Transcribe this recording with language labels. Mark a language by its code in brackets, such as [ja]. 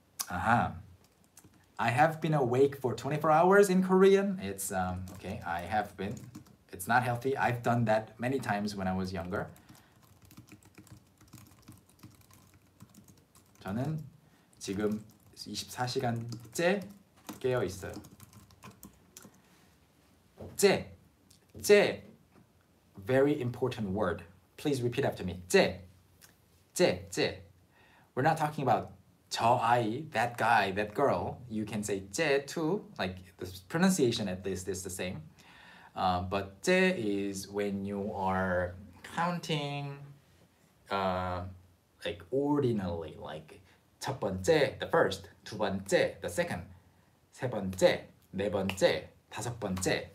[en] Aha. I have been awake for 24 hours in Korean. It's okay, I have been. It's not healthy. I've done that many times when I was younger. [ko] 저는 지금 24시간째 깨어 있어요. 째. [en] Very important word. Please repeat after me. 째. We're not talking about [ko] 저 아이, [en] that guy, that girl. You can say 째 too. Like, the pronunciation at least is the same. But 째 is when you are counting like ordinarily. Like [ko] 첫 번째, [en] the first. [ko] 두 번째, [en] the second. [ko] 세 번째, 네 번째, 다섯 번째.